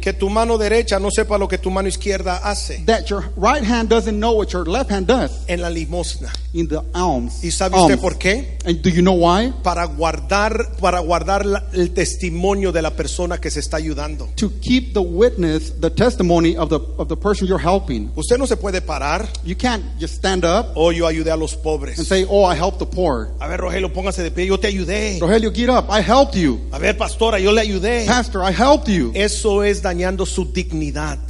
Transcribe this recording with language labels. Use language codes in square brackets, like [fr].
[es] Que tu mano derecha no sepa lo que tu mano izquierda hace. [en] That your right hand doesn't know what your left hand does. [es] En la limosna. [en] In the alms. [es] ¿Y sabe usted por qué? [en] And do you know why? [es] Para guardar el testimonio de la persona que se está ayudando. [en] To keep the witness, the testimony of the person you're helping. [es] Usted no se puede parar. [en] You can't just stand up. [es] Oh, yo ayudé a los pobres. [en] And say, oh, I helped the poor. [es] A ver, Rogelio, póngase de pie. Yo te ayudé. [en] Rogelio, get up. I helped you. [es] A ver, pastora, yo le ayudé. [en] Pastor, I helped you. [es] Eso es dañando su dignidad.